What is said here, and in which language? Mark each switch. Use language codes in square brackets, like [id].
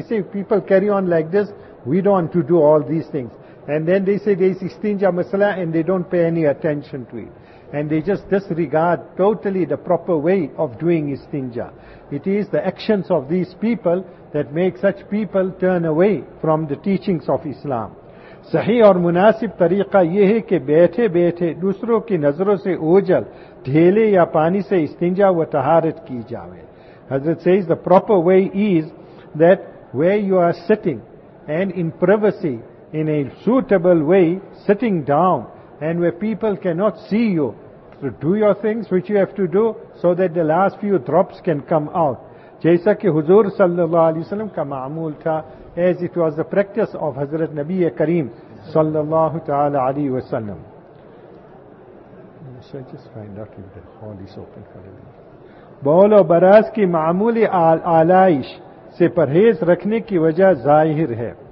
[en] They say, if people carry on like this, we don't want to do all these things. And then they say, there is istinja masala, and they don't pay any attention to it. And they just disregard totally the proper way of doing istinja. It is the actions of these people that make such people turn away from the teachings of Islam. [ur] صحیح اور مناسب طریقہ یہ ہے کہ بیٹھے بیٹھے دوسروں کی نظروں سے اوجھل ڈھیلے یا پانی سے استنجا و طہارت کی جاوے. [en] حضرت says the proper way is that way you are sitting and in privacy in a suitable way sitting down and way people can not see you do your things which you have to do so that the last few drops can come out, [ur] جیسا کہ حضور صلی اللہ علیہ وسلم کا معمول تھا, [en] as it was the practice of Hazrat Nabi Kareem sallallahu ta'ala alayhi wa sallam. So I just find out if the hall is open for a minute. [ur] بول و براز کی معمولی آلائش سے پرہیز رکھنے کی وجہ ظاہر ہے.